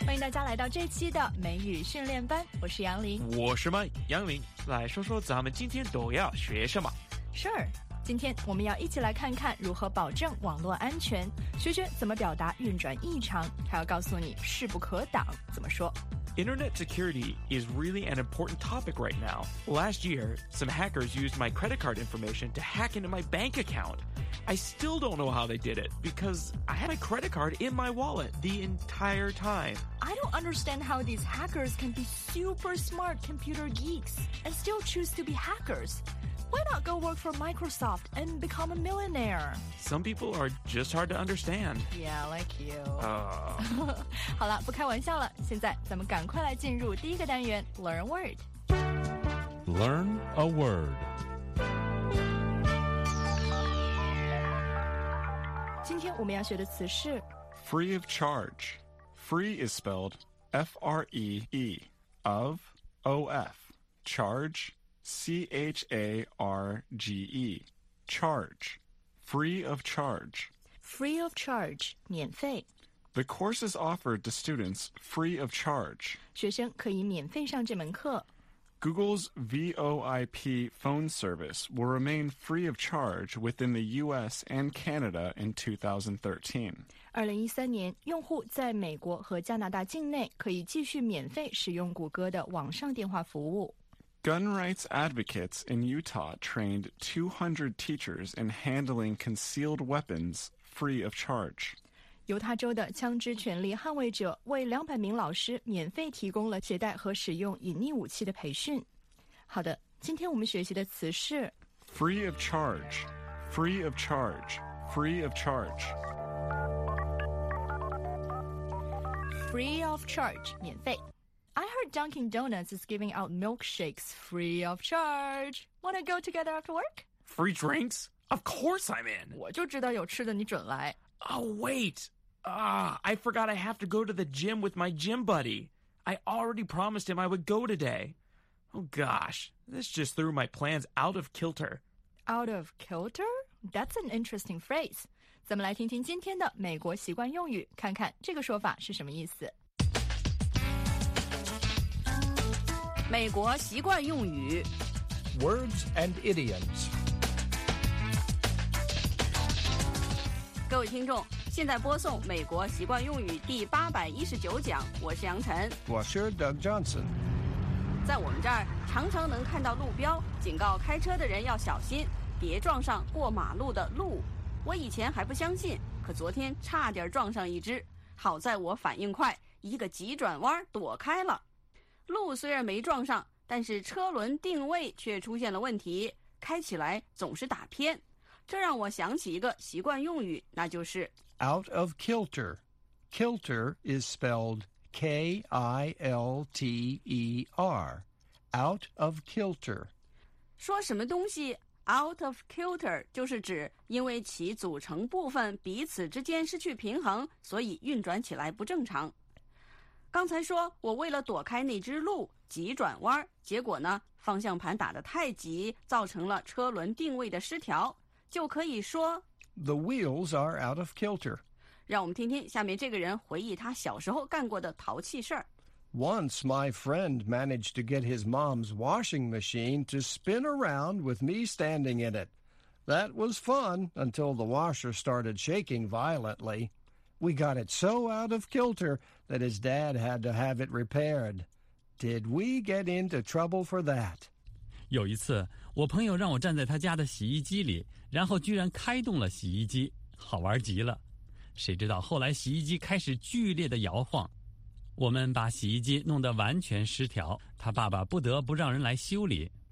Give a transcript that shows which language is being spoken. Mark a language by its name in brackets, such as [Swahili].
[Chinese] 家来到这期的美语训练班，我是杨林。我是麦杨林，来说说咱们今天都要学什么。 Sure， 今天我们要一起来看看如何保证网络安全，学学怎么表达运转异常，还要告诉你势不可挡怎么说。 [English] Internet security is really an important topic right now. Last year, some hackers used my credit card information to hack into my bank account. I still don't know how they did it because I had my credit card in my wallet the entire time. I don't understand how these hackers can be super smart computer geeks and still choose to be hackers. Why not go work for Microsoft and become a millionaire? Some people are just hard to understand. Yeah, like you. [Chinese] 好了，不开玩笑了。现在咱们赶快来进入第一个单元 ,Learn a Word. [English] Learn a Word. [Chinese] 今天我们要学的词是 [English] Free of charge. Free is spelled F-R-E-E. Of, O-F. Charge. C-H-A-R-G-E, charge, free of charge. Free of charge, 免费. The course is offered to students free of charge. [Chinese] 学生可以免费上这门课. [English] Google's VoIP phone service will remain free of charge within the U.S. and Canada in 2013. [Chinese] 2013年，用户在美国和加拿大境内可以继续免费使用谷歌的网上电话服务。 [English] Gun rights advocates in Utah trained 200 teachers in handling concealed weapons free of charge. [Chinese] 犹他州的枪支权利捍卫者为200名老师免费提供了携带和使用隐匿武器的培训。好的，今天我们学习的词是 [English] free of charge, free of charge, free of charge. Free of charge, 免费。 I heard Dunkin' Donuts is giving out milkshakes free of charge. Want to go together after work? Free drinks? Of course I'm in. [Chinese] 我就知道有吃的你准来。 [English] Oh, wait. I forgot I have to go to the gym with my gym buddy. I already promised him I would go today. Oh, gosh. This just threw my plans out of kilter. Out of kilter? That's an interesting phrase. [Chinese] 咱们来听听今天的美国习惯用语，看看这个说法是什么意思。美国习惯用语 [English] Words and idioms. [Chinese] 各位听众，现在播送美国习惯用语第819讲，我是杨晨，我是 Doug Johnson。在我们这儿常常能看到路标警告开车的人要小心，别撞上过马路的鹿。我以前还不相信，可昨天差点撞上一只，好在我反应快，一个急转弯躲开了。路虽然没撞上，但是车轮定位却出现了问题，开起来总是打偏。这让我想起一个习惯用语，那就是 [English] out of kilter. Kilter is spelled K-I-L-T-E-R. Out of kilter. [Chinese] 说什么东西 out of kilter 就是指因为其组成部分彼此之间失去平衡，所以运转起来不正常。刚才说我为了躲开那只鹿急转弯，结果呢方向盘打得太急，造成了车轮定位的失调，就可以说 [English] The wheels are out of kilter. [Chinese] 让我们听听下面这个人回忆他小时候干过的淘气事儿。 [English] Once my friend managed to get his mom's washing machine to spin around with me standing in it. That was fun until the washer started shaking violently. We got it so out of kilter that his dad had to have it repaired. Did we get into trouble for that? [Chinese] 有一次，我朋友让我站在他家的洗衣机里，然后居然开动了洗衣机，好玩极了。谁知道后来洗衣机开始剧烈的摇晃，我们把洗衣机弄得完全失调，他爸爸不得不让人来修理。